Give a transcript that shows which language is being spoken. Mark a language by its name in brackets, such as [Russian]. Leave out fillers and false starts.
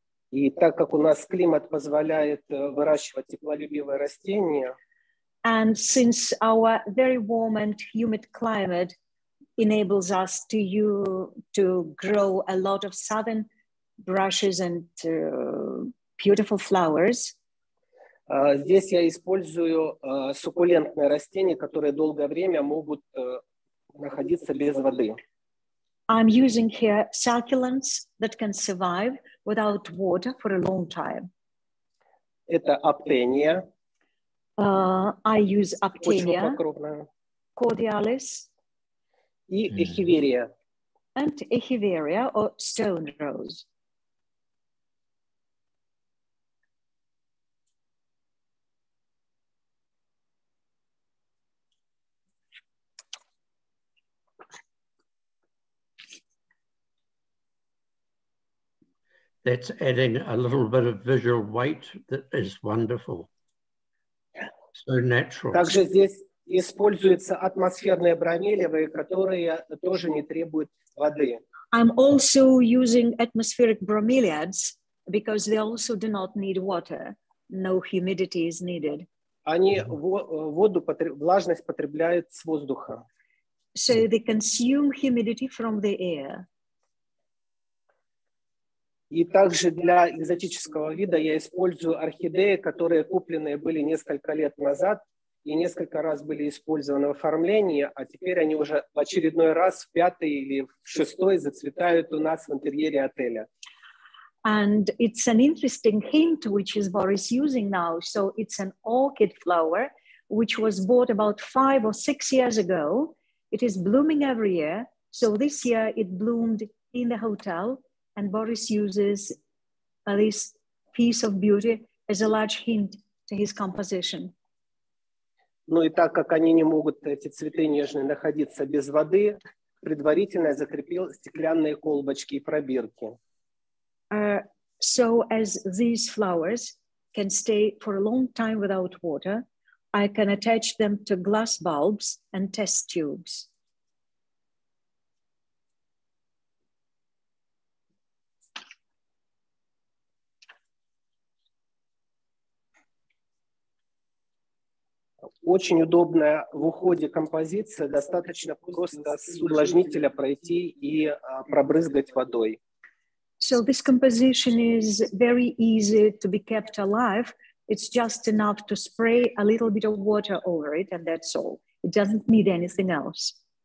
[Russian] И так как у нас климат позволяет выращивать теплолюбивые растения, [English] and since our very warm and humid climate enables us to grow a lot of southern brushes and beautiful flowers. [Russian] Здесь я использую суккулентные растения, которые долгое время могут находиться без воды. [English] I'm using here succulents that can survive without water for a long time. [Russian] Это Aptenia. [English] I use Aptenia. [Russian] Очень покровная. Cordialis. И Echeveria. [English] And Echeveria or stone rose. that's adding a little bit of visual weight that is wonderful. So natural. [Russian] Также здесь используются атмосферные бромелиевые, которые тоже не требуют воды. [English] I'm also using atmospheric bromeliads because they also do not need water. No humidity is needed. [Russian] Они воду, влажность потребляют с воздуха. [English] So they consume humidity from the air. [Russian] И также для экзотического вида я использую орхидеи, которые купленные были несколько лет назад и несколько раз были использованы в оформлении, а теперь они уже в очередной раз, в пятый или в шестой, зацветают у нас в интерьере отеля. [English] And it's an interesting hint which is Boris using now. So it's an orchid flower which was bought about 5 or 6 years ago. It is blooming every year. So this year it bloomed in the hotel and Boris uses this piece of beauty as a large hint to his composition. [Russian] Ну и так как они не могут, эти цветы нежные, находиться без воды, предварительно закрепил стеклянные колбочки и пробирки. [English] So as these flowers can stay for a long time without water, I can attach them to glass bulbs and test tubes. [Russian] Очень удобная в уходе композиция, достаточно просто с увлажнителя пройти и пробрызгать водой. [English] So this composition is very easy to be kept alive. It's just enough to spray a little bit of water over it, and that's all. It doesn't need anything else.